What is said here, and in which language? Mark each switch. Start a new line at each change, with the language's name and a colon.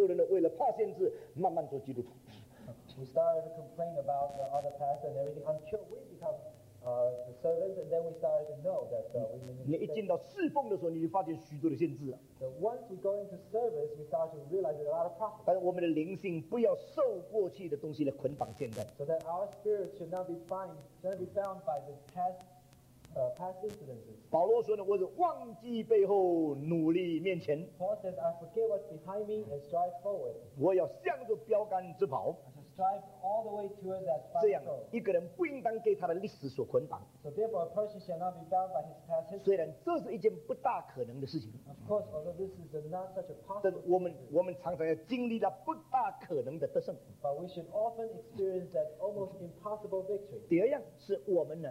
Chinese: 我们随便责备牧师，批评这个批评那，做了基督徒，哇，这个限制太大了，所以很多人呢，为了怕限制，慢慢做基督徒。
English: We started to complain about the other pastors and everything until we become the servants, and then we started to know that we.
Chinese: 你一进到侍奉的时候，你就发现许多的限制。
English: So once we go into service, we start to realize there are a lot of problems.
Chinese: 但是我们的灵性不要受过去的东西来捆绑现在。
English: So that our spirit should not be bound by the past incidences.
Chinese: 保罗说呢，我是忘记背后，努力面前。
English: Paul says, "I forget what's behind me and strive forward."
Chinese: 我要向着标杆直跑。
English: All the way toward that final goal.
Chinese: 这样，一个人不应当给他的历史所捆绑。
English: So therefore, a person shall not be bound by his past history.
Chinese: 虽然这是一件不大可能的事情。
English: Of course, although this is not such a possible.
Chinese: 但我们常常要经历了不大可能的得胜。
English: But we should often experience that almost impossible victory.